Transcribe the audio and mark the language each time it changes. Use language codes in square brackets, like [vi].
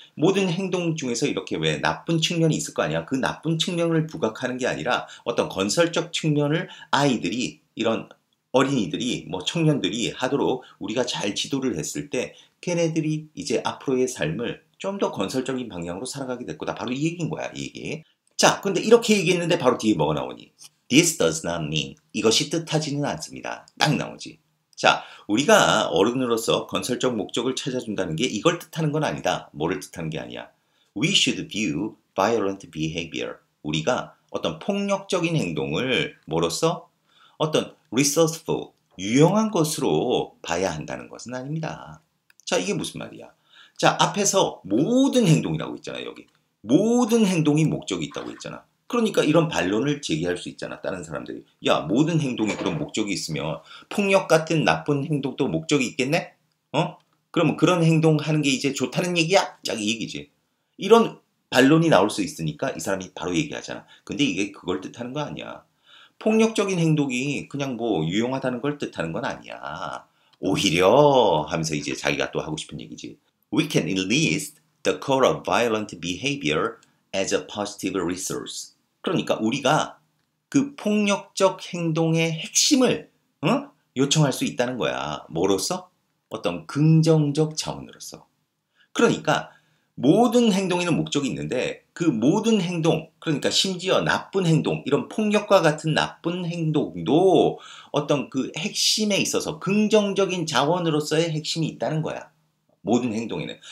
[ko] 모든 행동 중에서 이렇게 왜 나쁜 측면이 있을 거 아니야? 그 나쁜 측면을 부각하는 게 아니라 어떤 건설적 측면을 아이들이 이런 어린이들이 뭐 청년들이 하도록 우리가 잘 지도를 했을 때 걔네들이 이제 앞으로의 삶을 좀 더 건설적인 방향으로 살아가게 될 거다. 바로 이 얘기인 거야, 이 얘기. 자, 근데 이렇게 얘기했는데 바로 뒤에 뭐가 나오니? [en] This does not mean. [ko] 이것이 뜻하지는 않습니다. 딱 나오지. 자, 우리가 어른으로서 건설적 목적을 찾아준다는 게 이걸 뜻하는 건 아니다. 뭐를 뜻하는 게 아니야. [en] We should view violent behavior. [ko] 우리가 어떤 폭력적인 행동을 뭐로써? 어떤 resourceful, 유용한 것으로 봐야 한다는 것은 아닙니다. 자, 이게 무슨 말이야? 자, 앞에서 모든 행동이라고 했잖아, 여기. 모든 행동이 목적이 있다고 했잖아. 그러니까 이런 반론을 제기할 수 있잖아, 다른 사람들이. 야, 모든 행동이 그런 목적이 있으면 폭력 같은 나쁜 행동도 목적이 있겠네? 어? 그러면 그런 행동 하는 게 이제 좋다는 얘기야? 자기 얘기지. 이런 반론이 나올 수 있으니까 이 사람이 바로 얘기하잖아. 근데 이게 그걸 뜻하는 거 아니야. 폭력적인 행동이 그냥 뭐 유용하다는 걸 뜻하는 건 아니야. 오히려 하면서 이제 자기가 또 하고 싶은 얘기지. [en] We can enlist the code of violent behavior as a positive resource. [ko] 그러니까 우리가 그 폭력적 행동의 핵심을 어? 요청할 수 있다는 거야. 뭐로써? 어떤 긍정적 자원으로서. 그러니까 모든 행동에는 목적이 있는데 그 모든 행동, 그러니까 심지어 나쁜 행동, 이런 폭력과 같은 나쁜 행동도 어떤 그 핵심에 있어서 긍정적인 자원으로서의 핵심이 있다는 거야. 모든 행동에는.